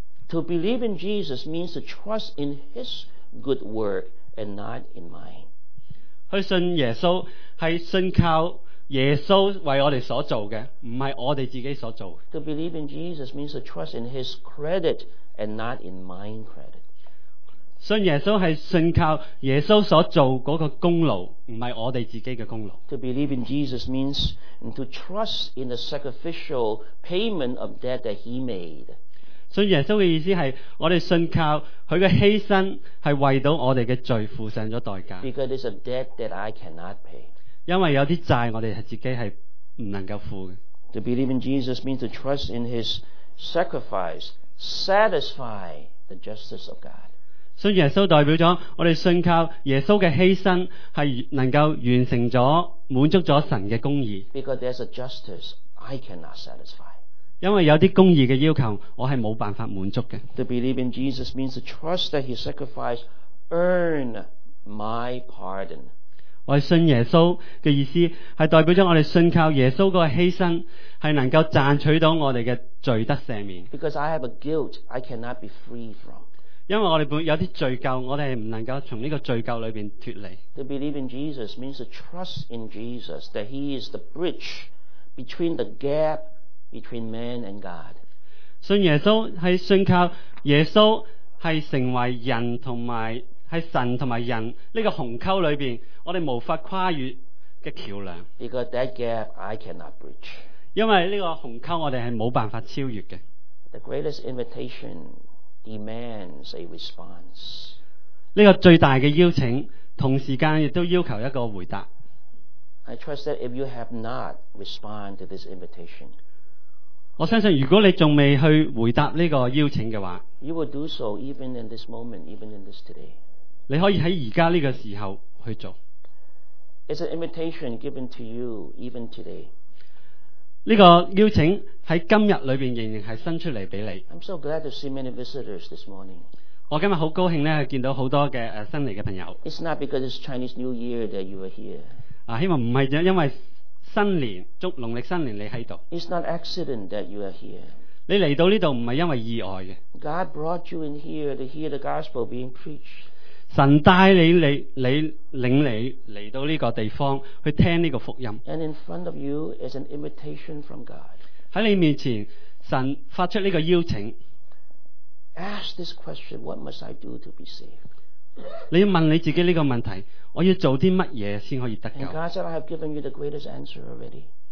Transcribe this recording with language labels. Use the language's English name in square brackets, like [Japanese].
[English] To believe in Jesus means to trust in His good work and not in mine. [Chinese] 去信耶稣是信靠耶稣为我们所做的，不是我们自己所做的。 [English] To believe in Jesus means to trust in his credit and not in my credit. [Chinese] 信耶稣是信靠耶稣所做的那个功劳，不是我们自己的功劳。 [English] To believe in Jesus means to trust in the sacrificial payment of debt that he made. [Chinese] 信耶稣的意思是我们信靠他的牺牲是为到我们的罪付上了代价。 [English] Because it's a debt that I cannot pay. [Chinese] 因为有些债我们自己是不能够付的。 [English] To believe in Jesus means to trust in his sacrifice, satisfy the justice of God. [Chinese] 信耶稣代表了我们信靠耶稣的牺牲是能够完成了满足了神的公义。 [English] Because there's a justice I cannot satisfy. [Chinese] 因为有些公义的要求我是没有办法满足的。 [English] To believe in Jesus means to trust that his sacrifice earned my pardon. [Chinese] 我信耶稣的意思是代表了我们信靠耶稣的牺牲是能够赚取到我们的罪得赦免。 [English] Because I have a guilt I cannot be free from. [Chinese] 因为我们有些罪疚我们是不能够从这个罪疚里面脱离。 [English] To believe in Jesus means to trust in Jesus that he is the bridge between the gap between man and God. [Chinese] 信耶稣是信靠耶稣是成为人和神和人这个鸿沟里面我们无法跨越的桥梁。 [English] Because that gap I cannot bridge. [Chinese] 因为这个鸿沟我们是没办法超越的。 [English] The greatest invitation demands a response. [Chinese] 这个最大的邀请同时间也都要求一个回答。 [English] I trust that if you have not responded to this invitation, [Chinese] 我相信如果你还未去回答这个邀请的话 [English] you will do so even in this moment, even in this today. [Chinese] 你可以在现在这个时候去做。 [English] It's an invitation given to you even today. [Chinese] 这个邀请在今天里面仍然是伸出来给你。 [English] I'm so glad to see many visitors this morning. [Chinese] 我今天很高兴见到很多的新来的朋友。 [English] It's not because it's Chinese New Year that you are here. [Chinese] 希望不是因为新年祝农历新年你在这里。 [English] It's not accident that you are here. [Chinese] 你来到这里不是因为意外的。 [English] God brought you in here to hear the gospel being preached. [Chinese] 神带你领你来到这个地方去听这个福音。 [English] And in front of you is an invitation from God. [Chinese] 在你面前神发出这个邀请。 [English] Ask this question, what must I do to be saved? [Chinese] 你要问你自己这个问题，我要做些什么才可以得救。 [English] And God said, I have given you the greatest answer already.